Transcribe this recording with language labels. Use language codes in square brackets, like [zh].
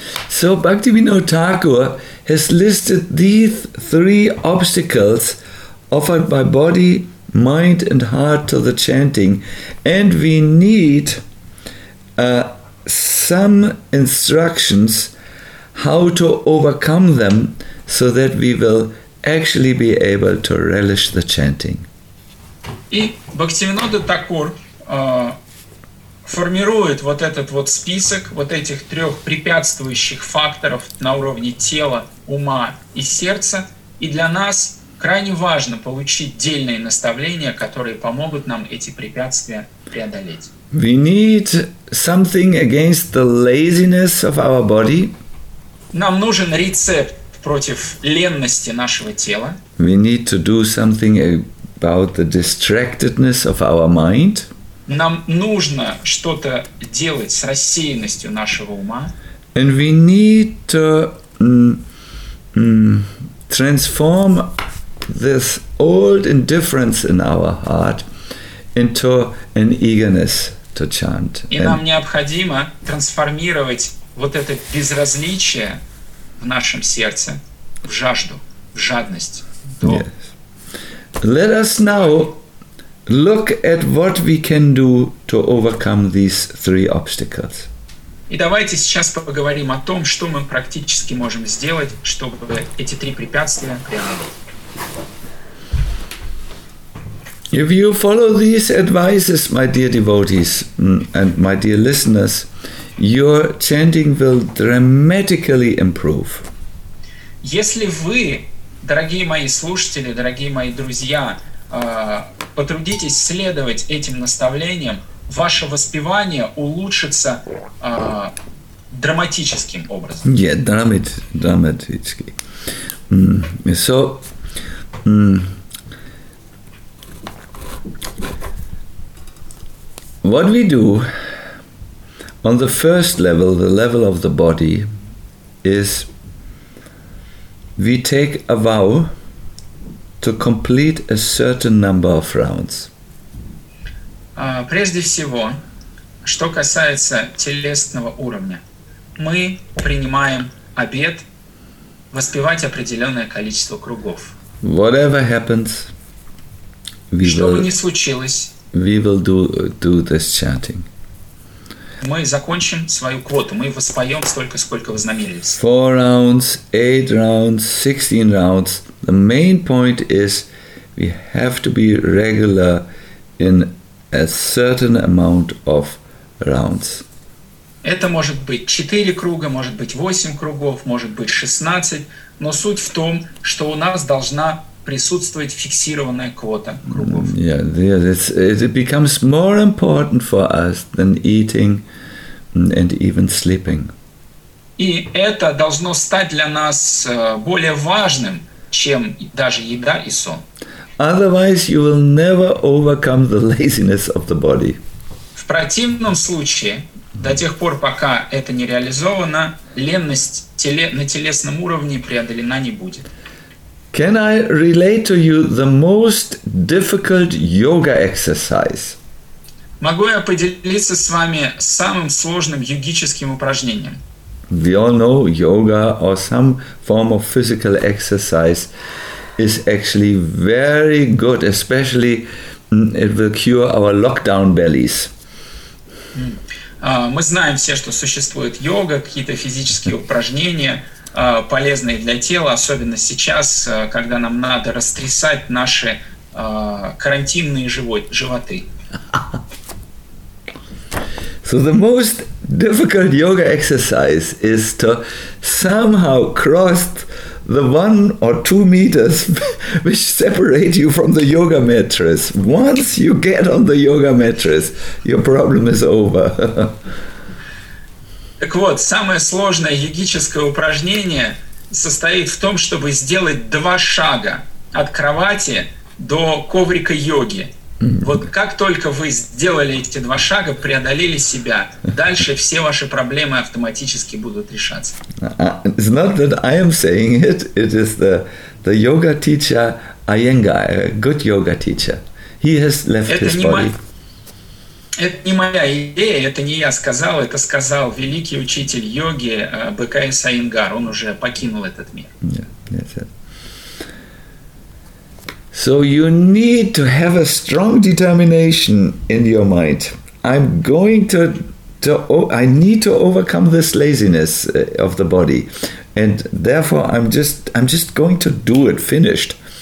[en] So Bhaktivinoda Thakur has listed these three obstacles offered by body, mind and heart to the chanting, and we need some instructions how to overcome them so that we will actually be able to relish the chanting. [ru] И Бхактивинода Такур формирует вот этот вот список вот этих трех препятствующих факторов на уровне тела, ума и сердца, и для нас крайне важно получить дельные наставления, которые помогут нам эти препятствия преодолеть. [en] We need something against the laziness of our body. [ru] Нам нужен рецепт против ленности нашего тела. [en] We need to do something about the distractedness of our mind. [ru] Нам нужно что-то делать с рассеянностью нашего ума. [en] And we need to transform this old indifference in our heart into an eagerness to chant. [ru] И нам необходимо трансформировать вот это безразличие в нашем сердце в жажду, в жадность. [en] Yes. Let us now look at what we can do to overcome these three obstacles. [ru] И давайте сейчас поговорим о том, что мы практически можем сделать, чтобы эти три препятствия преодолеть. [en] If you follow these advices, my dear devotees and my dear listeners, your chanting will dramatically improve. [ru] Если вы, дорогие мои слушатели, дорогие мои друзья, потрудитесь следовать этим наставлениям, ваше воспевание улучшится драматическим образом. [en] Yeah, dramatically. What we do on the first level, the level of the body, is we take a vow to complete a certain number of rounds. [ru] Прежде всего, что касается телесного уровня, мы принимаем обет воспевать определенное количество кругов. [en] Whatever happens, we [ru] что [en] will, [ru] бы ни случилось, [en] we will do this chanting. [ru] Мы закончим свою квоту, мы воспоем столько, сколько вознамерились. [en] 4 rounds, 8 rounds, 16 rounds. The main point is we have to be regular in a certain amount of rounds. [ru] Это может быть 4 круга, может быть 8 кругов, может быть 16, но суть в том, что у нас должна присутствовать фиксированная квота кругов. [en] Yeah, it becomes more important for us than eating and even sleeping. [ru] И это должно стать для нас более важным, чем даже еда и сон. [en] Otherwise you will never overcome the laziness of the body. [ru] В противном случае, до тех пор, пока это не реализовано, леность на телесном уровне преодолена не будет. [en] Can I relate to you the most difficult yoga exercise? [ru] Могу я поделиться с вами самым сложным йогическим упражнением? [en] We all know yoga or some form of physical exercise is actually very good, especially it will cure our lockdown bellies. [ru] Мы знаем все, что существует йога, какие-то физические упражнения, полезные для тела, особенно сейчас, когда нам надо растрясать наши карантинные животы. [en] So the most difficult yoga exercise is to somehow cross the 1 or 2 meters which separate you from the yoga mattress. Once you get on the yoga mattress, your problem is over. [ru] Так вот, самое сложное йогическое упражнение состоит в том, чтобы сделать 2 шага от кровати до коврика йоги. Вот как только вы сделали эти 2 шага, преодолели себя, дальше все ваши проблемы автоматически будут решаться. [en] It's not that I am saying it, it is the yoga teacher Iyengar, a good yoga teacher. He has left [ru] это [en] his body. [ru] Это не моя идея, это не я сказал, это сказал великий учитель йоги БКС Айенгар. Он уже покинул этот мир. [en] Yeah, so you need to have a strong determination in your mind. I'm going I need to overcome this laziness of the body. And therefore I'm just going to do it, finished.